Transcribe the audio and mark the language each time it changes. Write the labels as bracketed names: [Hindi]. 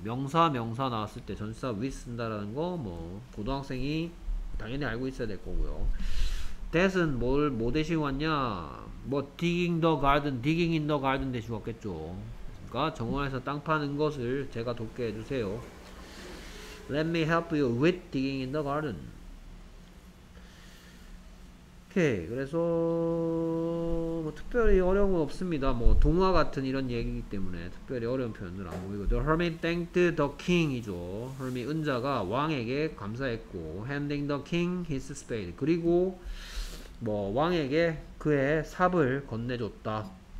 [Korean] 명사 나왔을 때 전치사 with 쓴다라는 거 뭐 고등학생이 당연히 알고 있어야 될 거고요. that은 뭘 뭐 대신 왔냐? 뭐 digging the garden, digging in the garden 대신 왔겠죠. 그러니까 정원에서 땅 파는 것을 제가 돕게 해주세요. [English] let me help you with digging in the garden. [Korean] 오케이. 그래서 뭐 특별히 어려운 건 없습니다. 뭐 동화 같은 이런 얘기이기 때문에 특별히 어려운 표현은 안 보이고. [English] The hermit thanked the king이죠. hermit [Korean] 은자가 왕에게 감사했고 [English] handing the king his spade. [Korean] 그리고 뭐 왕에게 그의 삽을 건네줬다.